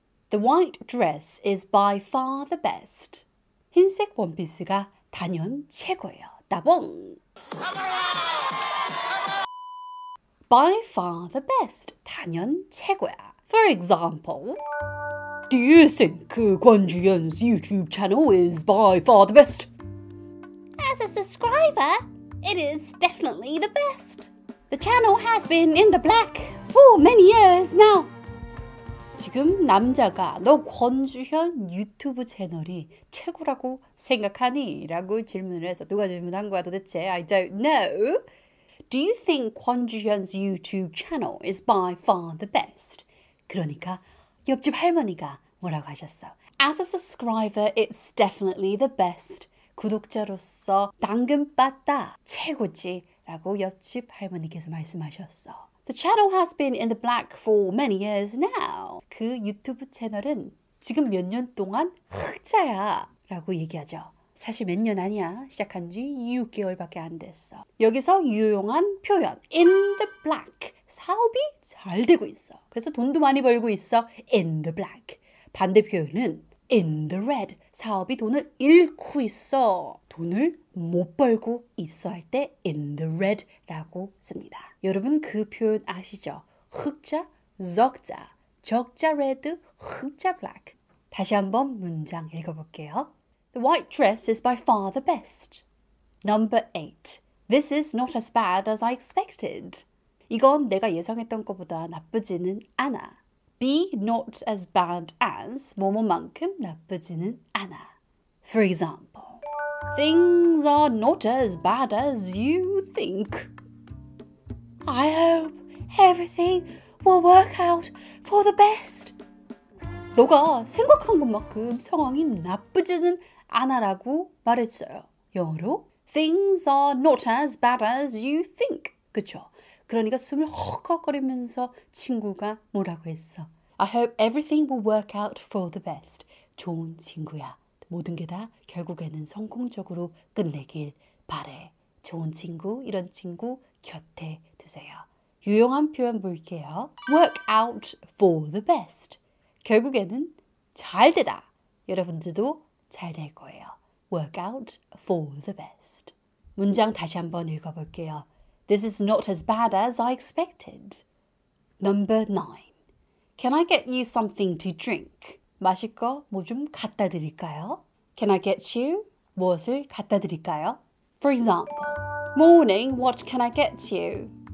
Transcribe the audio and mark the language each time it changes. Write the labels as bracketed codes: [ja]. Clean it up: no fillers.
[en] The white dress is by far the best. [ko] 흰색 원피스가 단연 최고예요. 따봉! [en] By far the best. [ko] 단연 최고야. [en] For example, Do you think 권주현's YouTube channel is by far the best? As a subscriber, it is definitely the best. The channel has been in the black for many years now. [ko] 지금 남자가 너 권주현 유튜브 채널이 최고라고 생각하니? 라고 질문을 해서 누가 질문한 거야 도대체? [en] I don't know. Do you think 권주현's YouTube channel is by far the best? [ko] 그러니까 옆집 할머니가 뭐라고 하셨어? [en] As a subscriber, it's definitely the best. [ko] 구독자로서 당근 빻다 최고지. 라고 옆집 할머니께서 말씀하셨어. [en] The channel has been in the black for many years now. [ko] 그 유튜브 채널은 지금 몇 년 동안 흑자야 라고 얘기하죠. 사실 몇 년 아니야. 시작한 지 6개월밖에 안 됐어. 여기서 유용한 표현. [en] In the black. [ko] 사업이 잘 되고 있어. 그래서 돈도 많이 벌고 있어. [en] In the black. [ko] 반대 표현은 [en] In the red. [ko] 사업이 돈을 잃고 있어. 돈을 못 벌고 있어 할 때 [en] In the red [ko] 라고 씁니다. 여러분 그 표현 아시죠? 흑자, 적자. 적자 red, 흑자 black. 다시 한번 문장 읽어볼게요. [en] The white dress is by far the best. Number 8. This is not as bad as I expected. [ko] 이건 내가 예상했던 것보다 나쁘지는 않아. [en] Be not as bad as [ko] 뭐뭐만큼 나쁘지는 않아. [en] For example, things are not as bad as you think. I hope everything will work out for the best. [ko] 너가 생각한 것만큼 상황이 나쁘지는 않아라고 말했어요. 영어로 [en] Things are not as bad as you think. [ko] 그쵸? 그러니까 숨을 헉헉거리면서 친구가 뭐라고 했어? [en] I hope everything will work out for the best. [ko] 좋은 친구야. 모든 게 다 결국에는 성공적으로 끝내길 바래. 좋은 친구, 이런 친구 곁에 두세요. 유용한 표현 볼게요. [en] Work out for the best. [ko] 결국에는 잘 되다. 여러분들도 잘 될 거예요. [en] Work out for the best. [ko] 문장 다시 한번 읽어볼게요. [en] This is not as bad as I expected. Number 9. Can I get you something to drink? [ko] 마실 거 뭐 좀 갖다 드릴까요? [en] Can I get you? [ko] 무엇을 갖다 드릴까요? [en] For example, Morning, what can I get you?